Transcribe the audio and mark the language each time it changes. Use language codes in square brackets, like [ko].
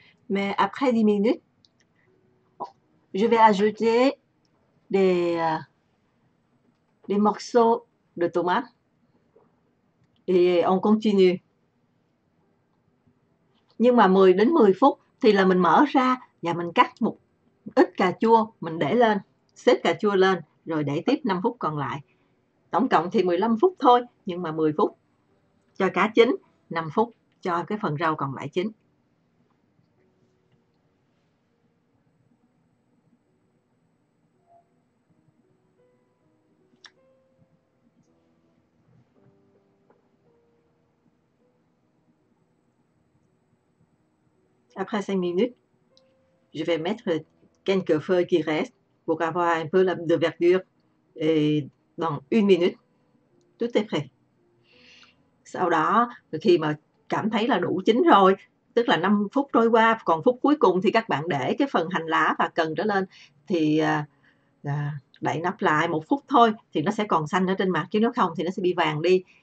[fr] Mais après 10 minutes, je vais ajouter des morceaux de tomates et on continue. [vi] Nhưng mà 10 đến 10 phút thì là mình mở ra và mình cắt một ít cà chua, mình để lên, xếp cà chua lên rồi để tiếp 5 phút còn lại. Tổng cộng thì 15 phút thôi, nhưng mà 10 phút cho cá chín, 5 phút cho cái phần rau còn lại chín. [fr] Après 5 minutes, je vais mettre quelques feuilles qui restent pour avoir un peu de verdure et [vi] Vâng, [fr] 1 minute. [vi] Tiếp theo. Sau đó, khi mà cảm thấy là đủ chín rồi, tức là 5 phút trôi qua, còn phút cuối cùng thì các bạn để cái phần hành lá và cần trở lên, thì đậy nắp lại 1 phút thôi, thì nó sẽ còn xanh ở trên mặt, chứ nếu không thì nó sẽ bị vàng đi.